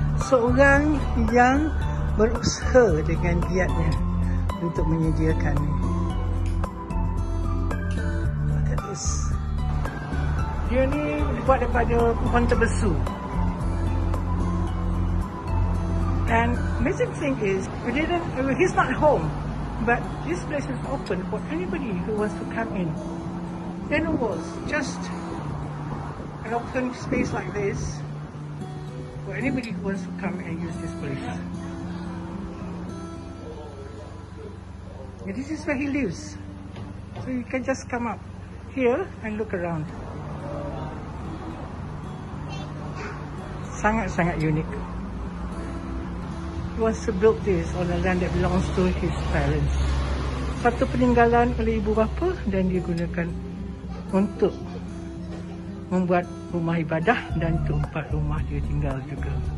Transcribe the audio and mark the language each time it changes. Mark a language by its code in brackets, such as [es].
[ms] Seorang yang berusaha dengan giatnya untuk menyediakan. [en] Look at this. [ms] Dia ni dibuat daripada pohon tebesu. [en] And amazing thing is, he's not home, but this place is open for anybody who wants to come in. Then it was just an open space like this for anybody who wants to come and use this place. Yeah, this is where he lives. So you can just come up here and look around. [ms] Sangat-sangat unique. [en] He wants to build this on a land that belongs to his parents. [ms] Satu peninggalan oleh ibu bapa dan dia gunakan untuk membuat rumah ibadah dan tempat rumah dia tinggal juga.